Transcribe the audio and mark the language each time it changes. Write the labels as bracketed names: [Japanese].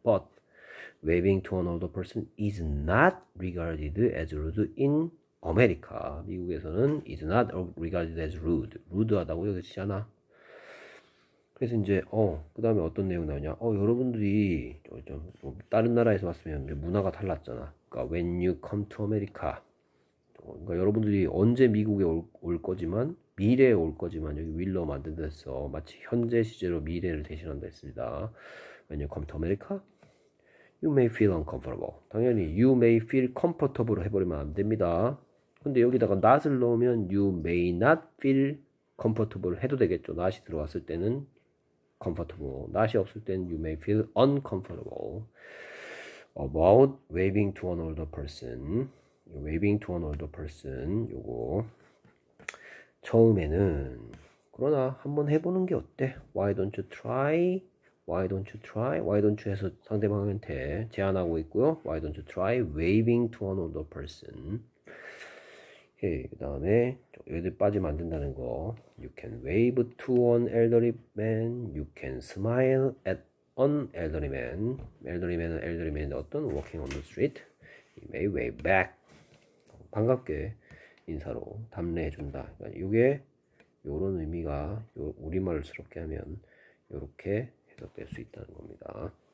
[English] But waving to an older person is not regarded as rude in America. [Korean] 미국에서는 [English] is not regarded as rude. [Korean] 루드하다고 여겨지잖아. 그래서 이제 그 다음에 어떤 내용 나오냐 여러분들이 좀 다른 나라에서 왔으면 문화가 달랐잖아. 그러니까 [English] when you come to America [Korean] 그러니까 여러분들이 언제 미국에 올 거지만, 미래에 올 거지만, 여기 윌로 만든 데서 마치 현재 시제로 미래를 대신한다 했습니다. [English] When you come to America, you may feel uncomfortable. [Korean] 당연히 [English] you may feel comfortable [Korean] 해버리면 안 됩니다. 근데 여기다가 not을 넣으면 [English] you may not feel comfortable [Korean] 해도 되겠죠. not이 들어왔을 때는 comfortable, not이 없을 때는 [English] you may feel uncomfortable about waving to an older person. waving to an older person [Korean] 요거 처음에는 그러나 한번 해보는 게 어때? [English] why don't you try? why don't you try? why don't you [Korean] 해서 상대방한테 제안하고 있고요. [English] why don't you try waving to an older person? [Korean] 예, 그 다음에 여기들 빠지면 안 된다는 거. [English] You can wave to an elderly man. You can smile at an elderly man. Elderly man은 어떤 walking on the street. You may wave back. [Korean] 반갑게 인사로 답례해 준다. 그러니까 이게 요런 의미가 요 우리말스럽게 하면 요렇게 해석될 수 있다는 겁니다.